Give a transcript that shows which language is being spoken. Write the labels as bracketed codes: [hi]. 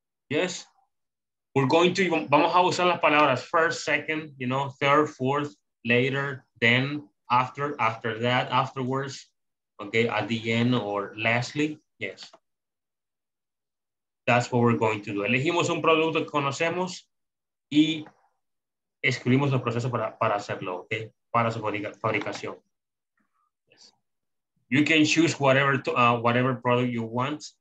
[en] Yes? We're going to, [es] vamos a usar las palabras [en] first, second, you know, third, fourth, later, then, after, after that, afterwards, okay, at the end or lastly, yes. That's what we're going to do. [es] Elegimos un producto que conocemos y escribimos el proceso para hacerlo, okay, para su fabricación. [en] Yes. You can choose whatever to, whatever product you want.